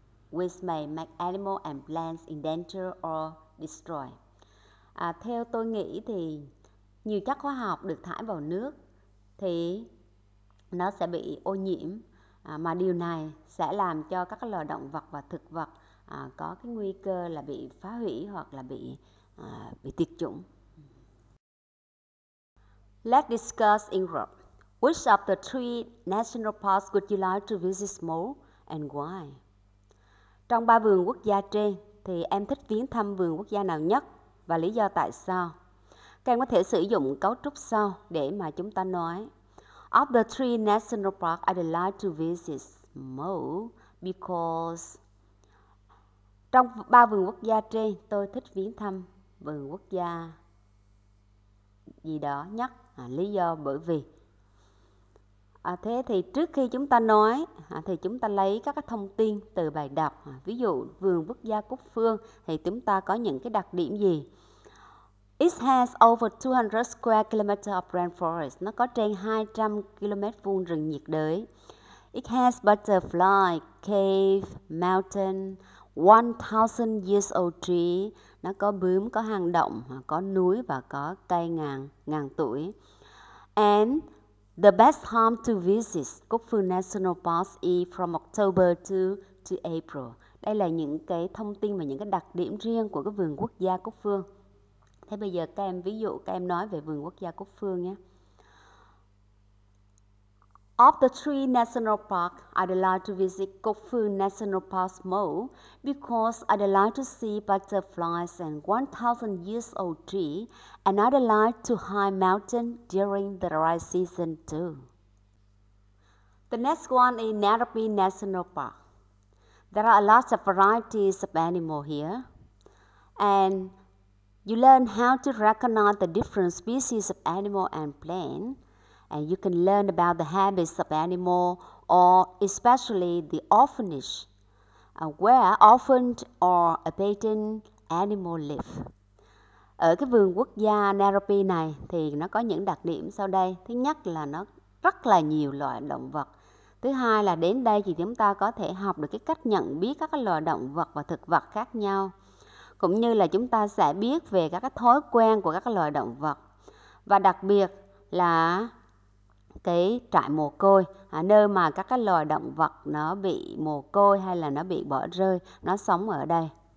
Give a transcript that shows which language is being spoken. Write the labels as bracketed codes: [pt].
[en] which may make animals and plants endanger or destroy. [vi] À, theo tôi nghĩ thì nhiều chất hóa học được thải vào nước thì nó sẽ bị ô nhiễm, à, mà điều này sẽ làm cho các loài động vật và thực vật có cái nguy cơ là bị phá hủy hoặc là bị tuyệt chủng. [en] Let's discuss in group. Which of the three national parks would you like to visit more and why? [vi] Trong ba vườn quốc gia trên thì em thích viếng thăm vườn quốc gia nào nhất và lý do tại sao? Các em có thể sử dụng cấu trúc sau để mà chúng ta nói. [en] Of the three national parks I'd like to visit more because [vi] trong ba vườn quốc gia trên tôi thích viếng thăm vườn quốc gia gì đó nhất. À, lý do bởi vì thế thì trước khi chúng ta nói thì chúng ta lấy các cái thông tin từ bài đọc, ví dụ vườn quốc gia Cúc Phương thì chúng ta có những cái đặc điểm gì. [en] It has over 200 square kilometers of rainforest. [vi] Nó có trên 200 km vuông rừng nhiệt đới. [en] It has butterfly, cave, mountain, 1000 years old tree. [vi] Nó có bướm, có hang động, có núi và có cây ngàn tuổi. [en] And the best time to visit Cúc Phương National Park is from October to April. [vi] Đây là những cái thông tin và những cái đặc điểm riêng của cái vườn quốc gia Cúc Phương. Thế bây giờ các em ví dụ các em nói về vườn quốc gia Cúc Phương nhé. [en] Of the three national parks, I'd like to visit Cúc Phương National Park more because I'd like to see butterflies and 1,000 years old tree, and I'd like to hike mountain during the dry season too. The next one is Narapi National Park. There are a lot of varieties of animals here, and you learn how to recognize the different species of animal and plant. And you can learn about the habits of animal, or especially the orphanage, where orphaned or abandoned animal live. [vi] Ở cái vườn quốc gia Narapi này thì nó có những đặc điểm sau đây. Thứ nhất là nó rất là nhiều loài động vật. Thứ hai là đến đây thì chúng ta có thể học được cái cách nhận biết các loài động vật và thực vật khác nhau, cũng như là chúng ta sẽ biết về các cái thói quen của các loài động vật, và đặc biệt là cái trại mồ côi, nơi mà các cái loài động vật nó bị mồ côi hay là nó bị bỏ rơi, nó sống ở đây.